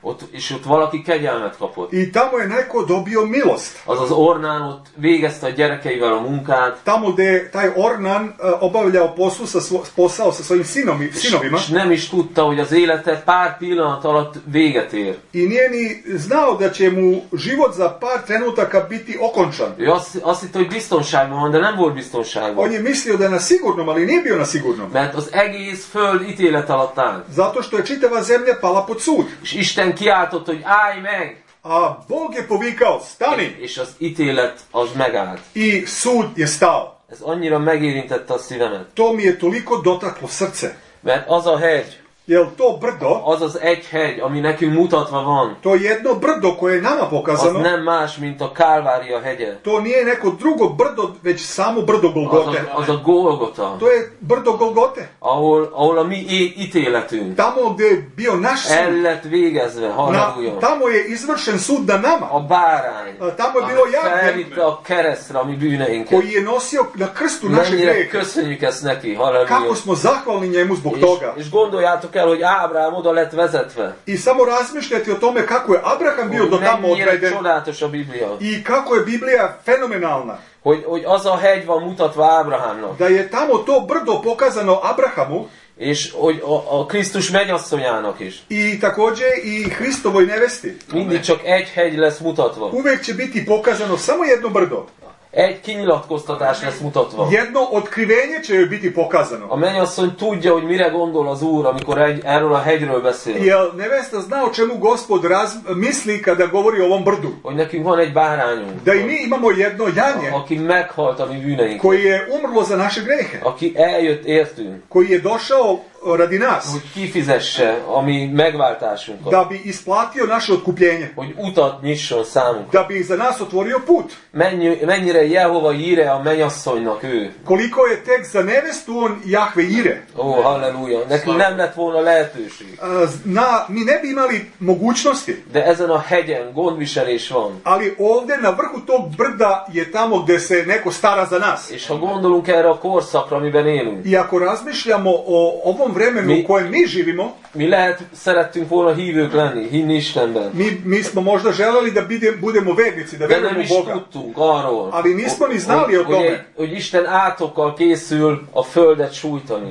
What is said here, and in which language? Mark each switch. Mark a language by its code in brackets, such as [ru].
[hu] És ott valaki kegyelmet kapott. [sr] I tamo je neko dobio milost. [hu] Azaz Ornán ott végezte a gyerekeivel a munkát. [sr] Tamo de taj Ornán obavljao posao sa svojim sinovima. [hu] És nem is tudta, hogy az élete pár pillanat alatt véget ér. [sr] I nije ni znao da će mu život za par trenutaka biti okončan. [hu] Jo, azt hitt, hogy biztonságban van, de nem volt biztonságban. [sr] On je mislio da je na sigurnom, ali nije bio na sigurnom. [hu] Mert az egész föld ítélet alatt áll. [sr] Zato što je čitava zemlja pala pod sud. [hu] Isten kiáltott, hogy állj meg! [sr] A Bog je povikal, stani! [hu] És az ítélet az megállt. [sr] I sud je stal. [hu] Ez annyira megérintette a szívemet. [sr] To mi je toliko dotaklo srce. [hu] Mert az a hegy, [sr] jel to brdo, [hu] az az egy hegy, ami nekünk mutatva van, [sr] to jedno brdo koje je nama pokazano, [hu] az nem más, mint a Kálvária hegye. [sr] To nije neko drugo brdo, već samo brdo Golgote. [hu] Az a Golgota. [sr] To je brdo Golgote. [hu] Ahol a mi ítéletünk. [sr] Tamo gde bio naš sud. [hu] El lett végezve, haragujon. [sr] Tamo je izvršen sud na nama. [hu] A bárány. [sr] Tamo je bilo jagnje. [hu] Ferite a keresztre a mi bűneinket. [sr] Koji je nosio na krstu naše greke. [hu] Mennyire köszönjük ezt neki, haragujon. [sr] Kako smo zahvalni njemu zbog toga. [hu] És gondoljátok kell, hogy Ábrahám oda lett vezetve. [sr] I samo razmišljati o tome kako je Abraham bio do tamo odveden. [hu] Csodálatos a Biblia. [sr] I kako je Biblia fenomenalna. [hu] Hogy az a hegy van mutatva Ábrahámnak. [sr] Da je tamo to brdo pokazano Abrahamu. [hu] És hogy a Krisztus mennyasszonyának is. [sr] I takođe i Hristovoj nevesti. [hu] Mindig csak egy hegy lesz mutatva. [sr] Uvek će biti pokazano samo jedno brdo. [hu] Egy kinyilatkoztatás lesz mutatva. [sr] Jedno odkrivenje će joj biti pokazano. [hu] A mennyasszony tudja, hogy mire gondol az Úr, amikor erről a hegyről beszél. [sr] Jel nevesta zna o čemu Gospod misli kada govori o ovom brdu. [hu] Hogy nekünk van egy bárányunk. [sr] De i mi imamo jedno janje. [hu] Aki meghalt a mi bűneinket. [sr] Koji je umrlo za naše grehe. [hu] Aki eljött értünk. [sr] Koji je došao radi nas. [hu] Hogy kifizesse a mi megváltásunkat. [sr] Da bi isplatio naše odkupljenje. [hu] Hogy utat nyisson számunkra. [sr] Da bi za nas otvorio put. [hu] Mennyire Jehova Jire a mennyasszonynak ő. [sr] Koliko je tek za nevestu on Jahve Jire. [hu] Ó, halleluja. Nekünk nem lett volna lehetőség. [sr] Mi ne bi imali mogućnosti. [hu] De ezen a hegyen gondviselés van. [sr] Ali ovde na vrhu tog brda je tamo gde se neko stara za nas. [hu] És ha gondolunk erre a korszakra, amiben élünk. [sr] I ako razmišljamo o ovom vremenu u kojem mi živimo. [hu] Mi lehet szerettünk volna hívők lenni, hinni Istenben. [sr] Mi smo možda želeli da budemo vernici, da verujemo u Boga. [hu] Tudtunk arról. [sr] Ali nismo ni znali o tome. [hu] Hogy Isten átokkal készül a földet sújtani.